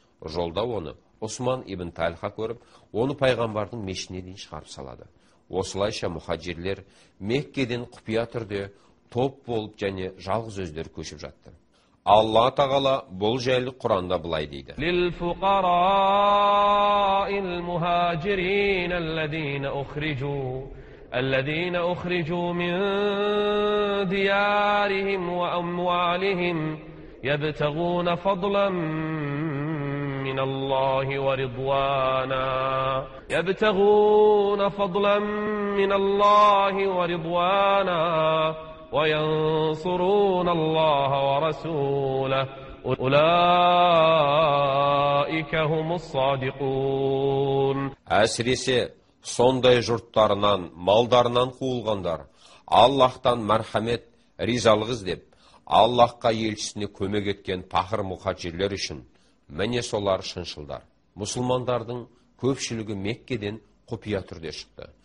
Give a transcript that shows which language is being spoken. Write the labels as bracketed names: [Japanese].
[Kazakh] Жолда оны Осман ибн Талха көріп, оны пайғамбардың мешітіне дейін шығарып салады. Осылайша мұхаджирлер Меккеден құпия түрде топ болып және жалғыз өздері көшіп жатты. Алла Тағала бұл жайлы Құранда былай дейді. [Arabic] Лил-фуқарайл мухаджирин алладина ухриджу мин диярихим ва амвалихим ябтагуна фадлан من الله ورضوانا يبتغون فضلا من الله ورضوانا وينصرون الله ورسوله أولئك هم الصادقون [Kazakh] Әсіресе сондай жұрттарынан, малдарынан қуылғандар Аллаһтан мәрхәмет, ризалығыз деп Аллаһқа елшісіне көмек еткен пахыр мухаджирлер үшін Мене солар шыншылдар. Мұсылмандардың көпшілігі Меккеден құпия түрде шықты.